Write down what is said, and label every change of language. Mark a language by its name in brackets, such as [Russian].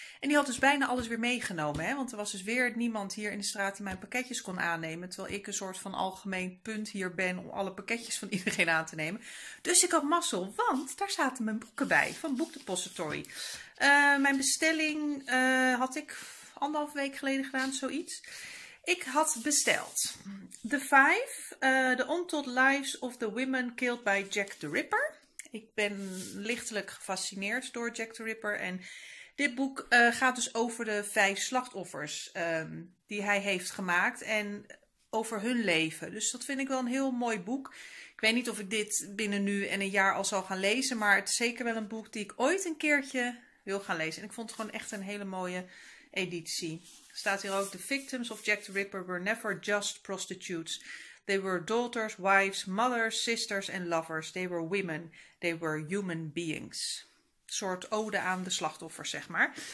[Dutch] En die had dus bijna alles weer meegenomen, hè? Want er was dus weer niemand hier in de straat die mijn pakketjes kon aannemen. Terwijl ik een soort van algemeen punt hier ben om alle pakketjes van iedereen aan te nemen. Dus ik had mazzel, want daar zaten mijn boeken bij van Book Depository. Mijn bestelling had ik 1,5 week geleden gedaan, zoiets. Ik had besteld The 5, The Untold Lives of the Women Killed by Jack the Ripper. Ik ben lichtelijk gefascineerd door Jack the Ripper. En dit boek gaat dus over de 5 slachtoffers die hij heeft gemaakt en over hun leven. Dus dat vind ik wel een heel mooi boek. Ik weet niet of ik dit binnen nu en een jaar al zal gaan lezen, maar het is zeker wel een boek die ik ooit een keertje wil gaan lezen. En ik vond het gewoon echt een hele mooie editie. Staat hier ook, [English] the victims of Jack the Ripper were never just prostitutes. They were daughters, wives, mothers, sisters and lovers. They were women. They were human beings. [Dutch] Een soort ode aan de slachtoffers, zeg maar.